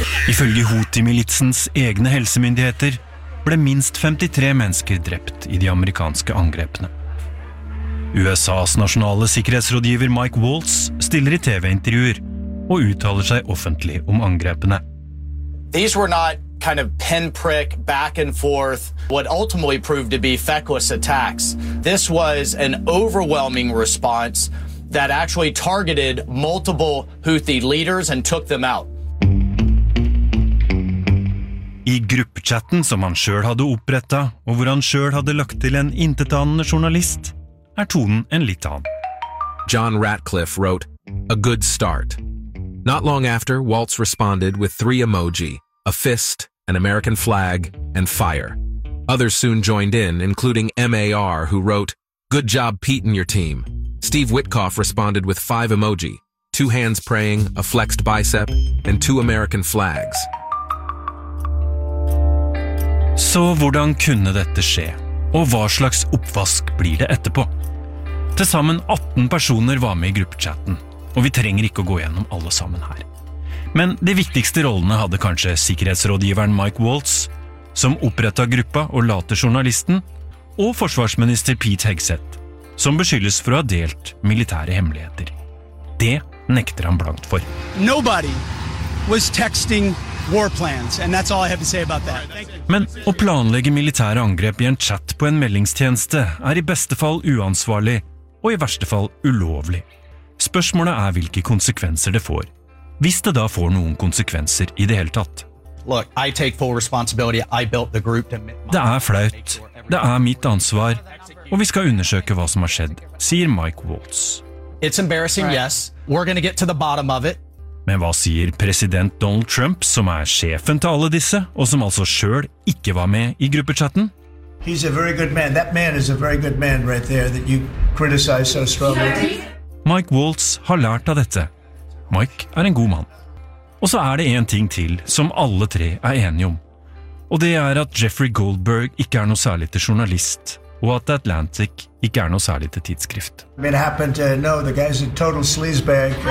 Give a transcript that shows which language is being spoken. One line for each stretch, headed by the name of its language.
Norwegian: Ifølge Houthi-militsens egne helsemyndigheter ble minst 53 mennesker drept i de amerikanske angrepene. USAs nasjonale sikkerhetsrådgiver Mike Waltz stiller i TV-intervjuer og uttaler seg offentlig om angrepene.
English: These were not kind of pinprick back and forth what ultimately proved to be feckless attacks. This was an overwhelming response that actually targeted multiple Houthi leaders and took them out.
Norwegian: I gruppechatten som han selv hadde opprettet, og hvor han selv hadde lagt til en intetanende journalist, er tonen en litt annen.
English: John Ratcliffe wrote, a good start. Not long after, Waltz responded with three emoji, a fist, an American flag, and fire. Others soon joined in, including MAR, who wrote, "Good job, Pete and your team." Steve Witkoff responded with five emoji, two hands praying, a flexed bicep, and two American flags.
Norwegian: Så hvordan kunne dette skje? Og hva slags oppvask blir det etterpå? Tilsammen 18 personer var med i gruppechatten, og vi trenger ikke å gå gjennom alle sammen her. Men de viktigste rollene hadde kanskje sikkerhetsrådgiveren Mike Waltz, som opprettet gruppa og later journalisten, og forsvarsminister Pete Hegseth, som beskyldes for å ha delt militære hemmeligheter. Det nekter han blankt for.
English: Nobody was texting war plans, and that's all I have to say about that.
Norwegian: Men å planlegge militære angrep i en chat på en meldingstjeneste er i beste fall uansvarlig, og i verste fall ulovlig. Spørsmålet er hvilke konsekvenser det får. Hvis det da får noen konsekvenser i det hele tatt.
English: Look, I take full responsibility. I built the group to...
Norwegian: Det er flaut. Det er mitt ansvar. Og vi skal undersøke hva som har skjedd, sier Mike Waltz.
English: It's embarrassing, yes. We're gonna get to the bottom of it.
Norwegian: Men hva sier president Donald Trump, som er sjefen til alle disse, og som altså selv ikke var med i gruppechatten?
English: He's a very good man. That man is a very good man right there that you criticize so strongly.
Norwegian: Mike Waltz har lært av dette. Mike er en god mann. Og så er det en ting til som alle tre er enige om. Og det er at Jeffrey Goldberg ikke er noe særlig til journalist, og at Atlantic ikke er noe særlig til tidsskrift.
English: It happened to know the guy's a total sleazebag.